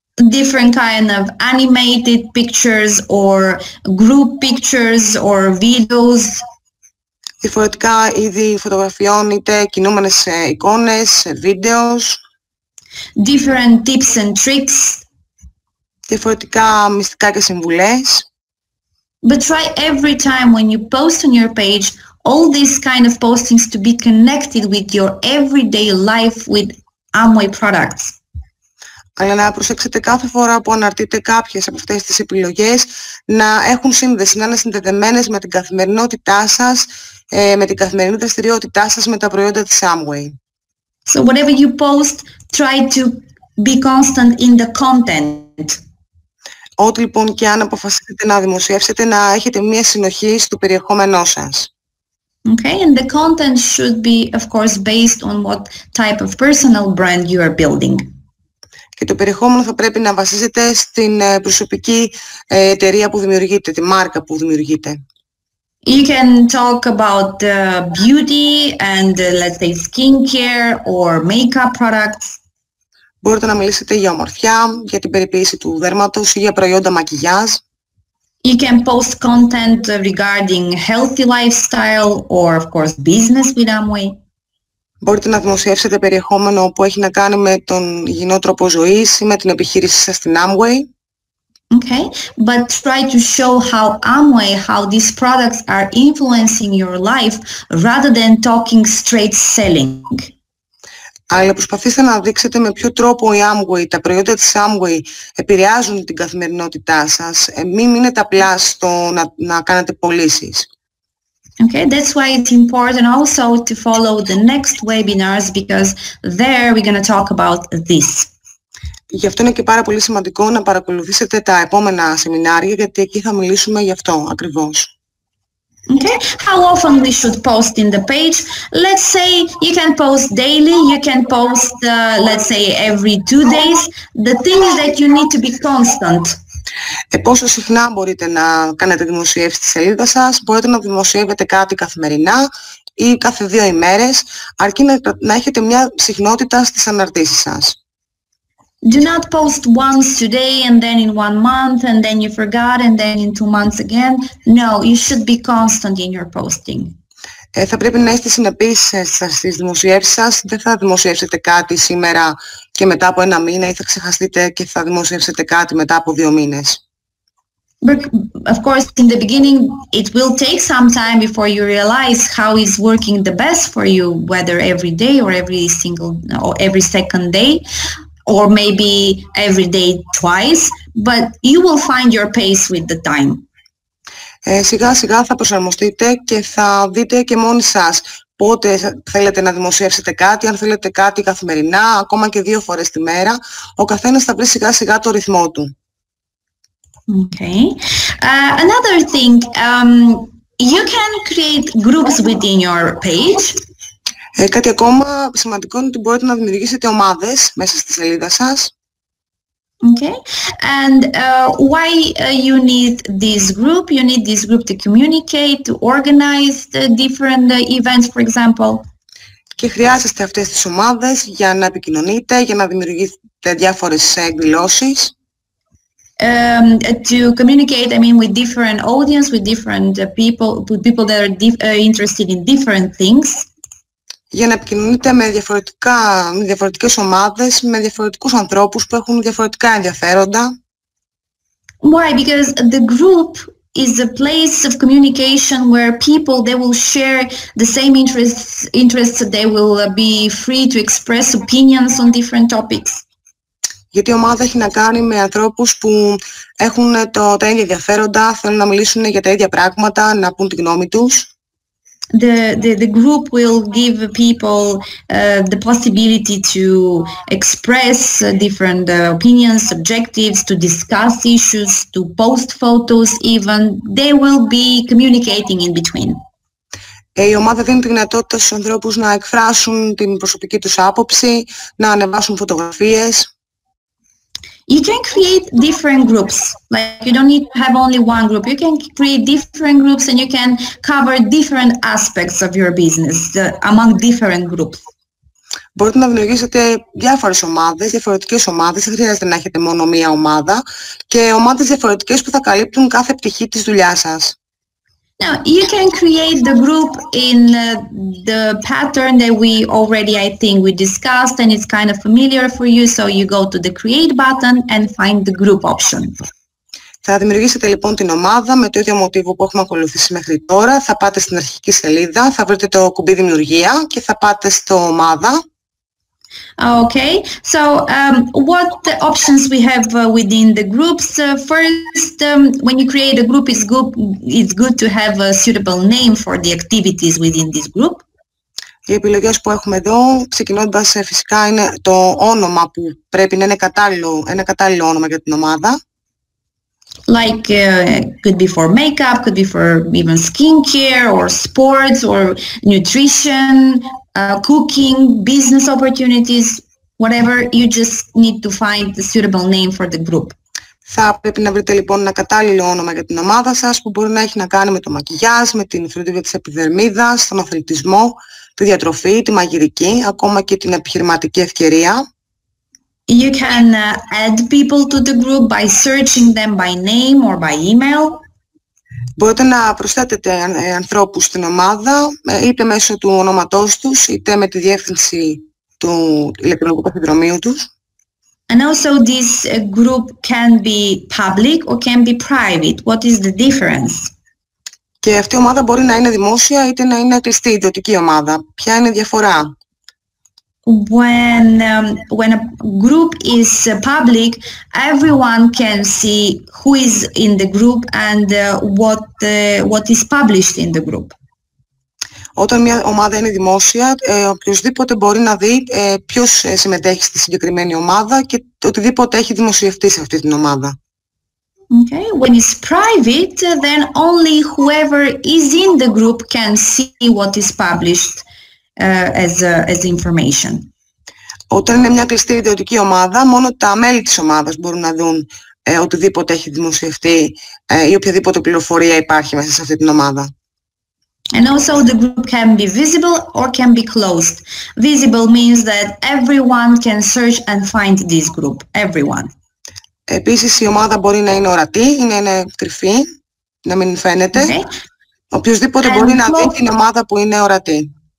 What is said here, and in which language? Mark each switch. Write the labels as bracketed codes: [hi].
[en] Different kind of animated pictures or group pictures or videos. [el] Διαφορετικά είδη φωτογραφιών, είτε κινούμενες εικόνες, videos. [en] Different tips and tricks. [el] Διαφορετικά μυστικά και συμβουλές. [en] But try every time when you post on your page all these kind of postings to be connected with your everyday life with Amway products. [el] Αλλά να προσέξετε κάθε φορά που αναρτείτε κάποιες από αυτές τις επιλογές να έχουν σύνδεση, να είναι συνδεδεμένες με την καθημερινότητά σας, με την καθημερινή δραστηριότητά σας με τα προϊόντα της Amway. [en] So whatever you post, try to be constant in the content. [el] Ό,τι λοιπόν και αν αποφασίσετε να δημοσιεύσετε, να έχετε μία συνοχή στο περιεχόμενό σας. [en] Okay, and the content should be, of course, based on what type of personal brand you are building. [el] Και το περιεχόμενο θα πρέπει να βασίζεται στην προσωπική εταιρεία που δημιουργείτε, τη μάρκα που δημιουργείτε. [en] You can talk about beauty and let's say skincare or makeup products. [el] Μπορείτε να μιλήσετε για ομορφιά, για την περιποίηση του δέρματος ή για προϊόντα μακιγιάζ. [en] You can post content regarding healthy lifestyle or of course business with Amway. [el] Μπορείτε να δημοσιεύσετε περιεχόμενο που έχει να κάνει με τον υγιεινό τρόπο ζωής ή με την επιχείρησή σας στην Amway. [en] Okay, but try to show how Amway, how these products are influencing your life rather than talking straight selling. [el] Αλλά προσπαθήστε να δείξετε με ποιο τρόπο η Amway, τα προϊόντα της Amway επηρεάζουν την καθημερινότητά σας. Μην μείνετε απλά στο να κάνετε πωλήσεις. [en] Okay, that's why it's important also to follow the next webinars because there we're going to talk about this. [el] Γι' αυτό είναι και πάρα πολύ σημαντικό να παρακολουθήσετε τα επόμενα σεμινάρια γιατί εκεί θα μιλήσουμε γι' αυτό ακριβώς. [en] Okay, how often we should post in the page? Let's say you can post daily, you can post let's say every 2 days. The thing is that you need to be constant. [el] Πόσο συχνά μπορείτε να κάνετε δημοσίευση στη σελίδα σας, μπορείτε να δημοσιεύετε κάτι καθημερινά ή κάθε 2 ημέρες, αρκεί να έχετε μια συχνότητα στις αναρτήσεις σας. [en] Do not post once today and then in 1 month and then you forgot and then in 2 months again. No, you should be constant in your posting. [el] Θα πρέπει να είστε συνεπείς στις δημοσιεύσεις σας. Δεν θα δημοσιεύσετε κάτι σήμερα και μετά από 1 μήνα ή θα ξεχαστείτε και θα δημοσιεύσετε κάτι μετά από 2 μήνες. [en] Of course, in the beginning, it will take some time before you realize how is working the best for you, whether every day or every second day, or maybe every day twice, but you will find your pace with the time. [el] Σιγά σιγά θα προσαρμοστείτε και θα δείτε και μόνοι σας πότε θέλετε να δημοσιεύσετε κάτι, αν θέλετε κάτι καθημερινά, ακόμα και 2 φορές τη μέρα. Ο καθένας θα βρει σιγά σιγά το ρυθμό του. [en] Okay. Another thing, you can create groups within your page. [el] Κάτι ακόμα σημαντικό είναι ότι μπορείτε να δημιουργήσετε ομάδες μέσα στη σελίδα σας. [en] Okay, and why you need this group? You need this group to communicate, to organize the different events, for example. [el] Και χρειάζεστε αυτές τις ομάδες για να επικοινωνείτε, για να δημιουργείτε διάφορες εκδηλώσεις. [en] To communicate, I mean, with different audience, with different people, with people that are interested in different things. [el] Για να επικοινωνείτε με διαφορετικά, με διαφορετικές ομάδες, με διαφορετικούς ανθρώπους που έχουν διαφορετικά ενδιαφέροντα. [en] Why? Because the group is a place of communication where people, they will share the same interests, they will be free to express opinions on different topics. [el] Γιατί η ομάδα έχει να κάνει με ανθρώπους που έχουν τα ίδια ενδιαφέροντα, θέλουν να μιλήσουν για τα ίδια πράγματα, να πούν τη γνώμη τους. [en] The group will give people the possibility to express different opinions, objectives, to discuss issues, to post photos even. They will be communicating in between. [el] Η ομάδα δίνει τη δυνατότητα στους ανθρώπους να εκφράσουν την προσωπική τους άποψη, να ανεβάσουν φωτογραφίες. [en] You can create different groups. Like you don't need to have only one group. You can create different groups and you can cover different aspects of your business among different groups. [el] Μπορείτε να δημιουργήσετε διάφορες ομάδες, διαφορετικές ομάδες. Δεν χρειάζεται να έχετε μόνο μία ομάδα και ομάδες διαφορετικές που θα καλύπτουν κάθε πτυχή της δουλειάς σας. [en] Now, you can create the group in the pattern that we already, I think, we discussed, and it's kind of familiar for you, so you go to the create button and find the group option. [el] Θα δημιουργήσετε λοιπόν την ομάδα με το ίδιο μοτίβο που έχουμε ακολουθήσει μέχρι τώρα. Θα πάτε στην αρχική σελίδα, θα βρείτε το κουμπί δημιουργία και θα πάτε στο ομάδα. [en] Okay, so what the options we have within the groups? First, when you create a group, it's good to have a suitable name for the activities within this group. [el] Οι επιλογές που έχουμε εδώ, ξεκινώντας φυσικά, είναι το όνομα που πρέπει να είναι κατάλληλο, ένα κατάλληλο όνομα για την ομάδα. [en] Like could be for makeup, could be for even skincare or sports or nutrition. Cooking, business opportunities, whatever, you just need to find the suitable name for the group. [el] Θα πρέπει να βρείτε λοιπόν ένα κατάλληλο όνομα για την ομάδα σας που μπορεί να έχει να κάνει με το μακιγιάζ, με την φροντίδα της επιδερμίδας, τον αθλητισμό, τη διατροφή, τη μαγειρική, ακόμα και την επιχειρηματική ευκαιρία. [en] You can add people to the group by searching them by name or by email. [el] Μπορείτε να προσθέτετε ανθρώπους στην ομάδα, είτε μέσω του ονόματός τους, είτε με τη διεύθυνση του ηλεκτρονικού ταχυδρομείου τους. [en] And also this group can be public or can be private. What is the difference? [el] Και αυτή η ομάδα μπορεί να είναι δημόσια είτε να είναι κλειστή ιδιωτική ομάδα. Ποια είναι η διαφορά? [en] When a group is public, everyone can see who is in the group and what is published in the group. [el] Όταν μια ομάδα είναι δημόσια, οποιοδήποτε μπορεί να δει ποιος συμμετέχει στη συγκεκριμένη ομάδα και οτιδήποτε έχει δημοσιευτεί σε αυτή την ομάδα. [en] Okay, when it's private, then only whoever is in the group can see what is published. As information. [el] Όταν είναι μια κλειστή ιδιωτική ομάδα, μόνο τα μέλη της ομάδας μπορούν να δουν οτιδήποτε έχει δημοσιευτεί ή οποιαδήποτε πληροφορία υπάρχει μέσα σε αυτή την ομάδα. [en] And also the group can be visible or can be closed. Visible means that everyone can search and find this group. Everyone. [el] Επίσης η ομάδα μπορεί να είναι ορατή, να είναι κρυφή, να μην φαίνεται. [en] Okay. [el] Οποιοςδήποτε [en] and [el] μπορεί να δει την ομάδα που είναι ορατή.